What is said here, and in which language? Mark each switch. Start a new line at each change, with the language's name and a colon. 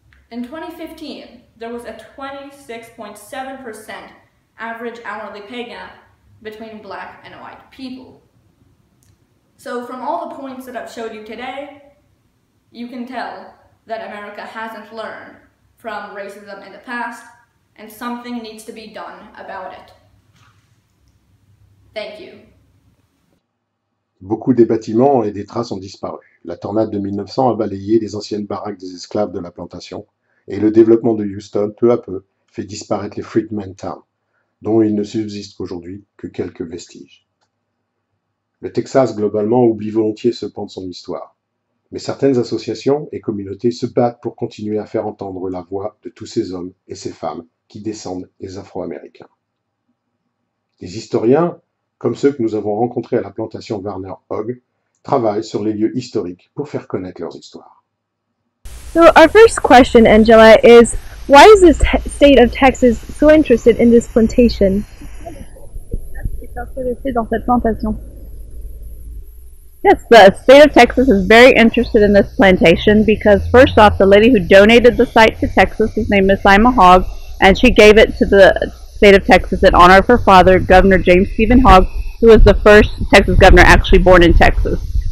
English: In 2015, there was a 26.7% average hourly pay gap between black and white people. So from all the points that I've showed you today, you can tell that America hasn't learned from racism in the past, and something needs to be done about it. Thank you.
French: Beaucoup des bâtiments et des traces ont disparu. La tornade de 1900 a balayé les anciennes baraques des esclaves de la plantation, et le développement de Houston, peu à peu, fait disparaître les Freedmen Towns, dont il ne subsiste qu'aujourd'hui que quelques vestiges. Le Texas, globalement, oublie volontiers ce pan de son histoire. Mais certaines associations et communautés se battent pour continuer à faire entendre la voix de tous ces hommes et ces femmes qui descendent des Afro-Américains. Les historiens, comme ceux que nous avons rencontrés à la plantation Warner Hogg, travaillent sur les lieux historiques pour faire connaître leurs histoires.
English: So our first question, Angela, is why is this state of Texas so interested in this plantation? Yes, the state of Texas is very interested in this plantation because, first off, the lady who donated the site to Texas, his name is Ima Hogg, and she gave it to the state of Texas in honor of her father, Governor James Stephen Hogg, who was the first Texas governor actually born in Texas.